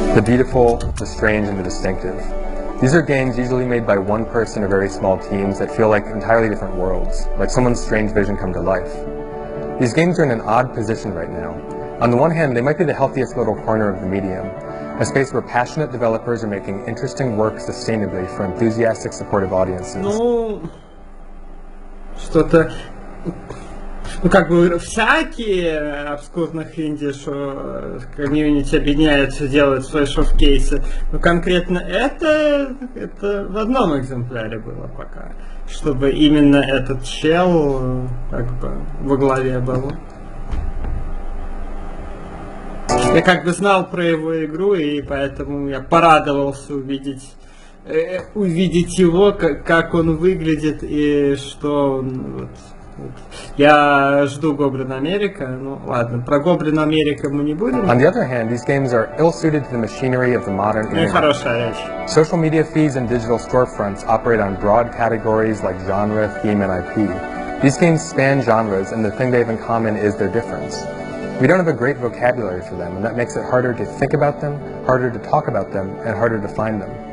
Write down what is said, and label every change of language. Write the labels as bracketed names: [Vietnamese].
[English] The beautiful, the strange, and the distinctive. These are games usually made by one person or very small teams that feel like entirely different worlds, like someone's strange vision come to life. These games are in an odd position right now. On the one hand, they might be the healthiest little corner of the medium, a space where passionate developers are making interesting work sustainably for enthusiastic, supportive audiences. [Russian] Ну, что-то, ну как бы всякие обскурных инди, что комьюнити объединяются, делают свои шоу-кейсы. Но конкретно это в одном экземпляре было пока, чтобы именно этот чел как бы во главе был. Я как бы знал про его игру, и поэтому я порадовался увидеть его, как он выглядит и что он. Вот. Я жду Гоблин Америка, ну ладно, про Гоблин Америка мы не будем. [English] On the other hand, these games are ill-suited to the machinery of the modern internet. [Russian] Ну, хорошая речь. [English] Social media feeds and digital storefronts operate on broad categories like genre, theme, and IP. These games span genres, and the thing they have in common is their difference. We don't have a great vocabulary for them, and that makes it harder to think about them, harder to talk about them, and harder to find them.